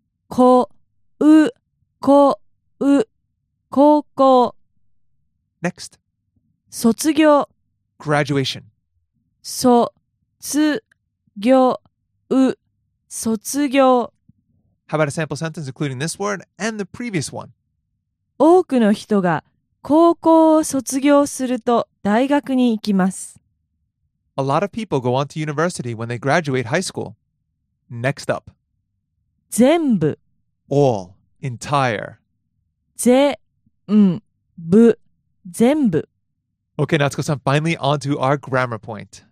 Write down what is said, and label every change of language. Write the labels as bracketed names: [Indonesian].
[Japanese] 高校 [English] Next. [Japanese] 卒業 [English] Graduation. [Japanese] 卒業 卒業 [English] How about a sample sentence including this word and the previous one? [Japanese] 多くの人が高校を卒業すると大学に行きます。 [English] A lot of people go on to university when they graduate high school. Next up. [Japanese] 全部 [English] All, entire. [Japanese] 全部全部 [English] Okay, Natsuko-san, finally on to our grammar point.